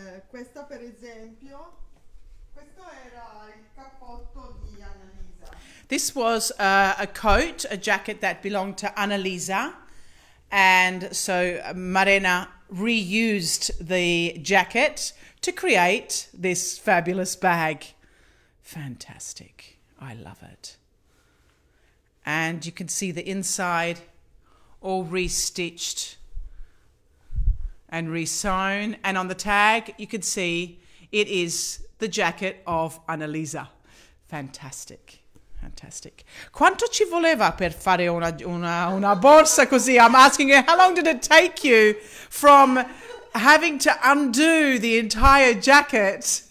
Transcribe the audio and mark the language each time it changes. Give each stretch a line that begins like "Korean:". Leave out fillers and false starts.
Italian: Questa, per esempio, questo era il cappotto di Annalisa.
English: This was a coat, a jacket that belonged to Annalisa, and so Marina reused the jacket to create this fabulous bag. Fantastic. I love it. And you can see the inside all restitched and re-sewn, and on the tag you can see it is the jacket of Annalisa. Fantastic, fantastic.
Italian: Quanto ci voleva per fare una borsa così?
English: I'm asking you, how long did it take you from having to undo the entire jacket?